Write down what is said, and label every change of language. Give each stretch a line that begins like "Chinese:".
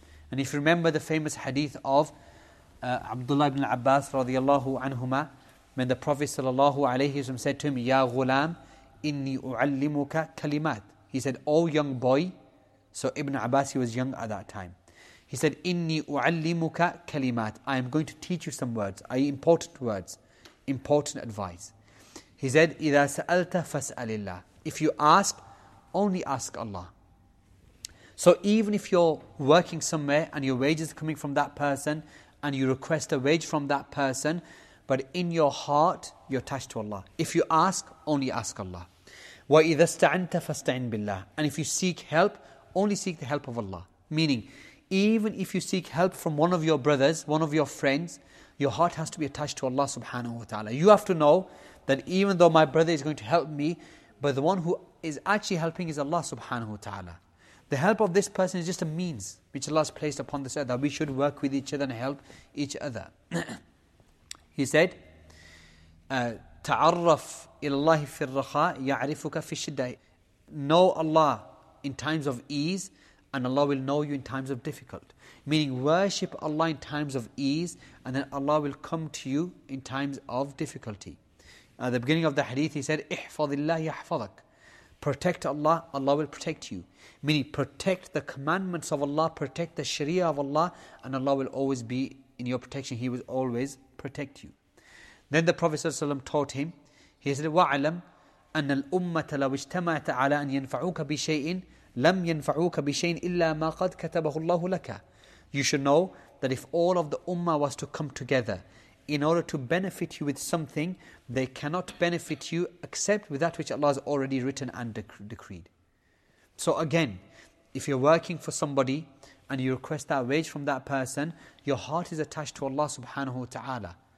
English: And if you remember the famous hadith of Abdullah ibn Abbas radiallahu anhuma, when the Prophet sallallahu alayhi wa sallam said to him,
Arabic: Ya ghulam, inni u'allimuka kalimat.
English: He said, oh young boy, so Ibn Abbas, he was young at that time. He said,
Arabic: inni u'allimuka kalimat.
English: I am going to teach you some words, important words, important advice. He said,
Arabic: إِذَا سَأَلْتَ فَاسْأَلِ اللَّهِ.
English: If you ask, only ask Allah. So even if you're working somewhere and your wage is coming from that person and you request a wage from that person, but in your heart, you're attached to Allah. If you ask, only ask Allah.
Arabic: وَإِذَا اسْتَعَنْتَ فَاسْتَعِنْ بِاللَّهِ.
English: And if you seek help, only seek the help of Allah. Meaning, even if you seek help from one of your brothers, one of your friends, your heart has to be attached to Allah subhanahu wa ta'ala. You have to know that even though my brother is going to help me, but the one who is actually helping is Allah subhanahu wa ta'ala. The help of this person is just a means which Allah has placed upon this earth, that we should work with each other and help each other. He said,
Arabic: تعرف إلله في الرخاء يعرفك في الشدة.
English: Know Allah in times of ease, and Allah will know you in times of difficult. Meaning worship Allah in times of ease, and then Allah will come to you in times of difficulty. At the beginning of the hadith, he said,
Arabic: احفظ الله يحفظك.
English: Protect Allah, Allah will protect you. Meaning protect the commandments of Allah, protect the sharia of Allah, and Allah will always be in your protection. He will always protect you. Then the Prophet ﷺ taught him, he said,
Arabic: وَعَلَمْ أَنَّ الْأُمَّةَ لَوْ اجْتَمَعَتَ عَلَىٰ أَنْ يَنْفَعُوكَ بِشَيْءٍ لَمْ يَنْفَعُوكَ بِشَيْءٍ إِلَّا مَا قَدْ كَتَبَهُ اللَّهُ لَكَ.
English: You should know that if all of the ummah was to come together in order to benefit you with something, they cannot benefit you except with that which Allah has already written and decreed. So again, if you're working for somebody and you request that wage from that person, your heart is attached to Allah subhanahu wa ta'ala.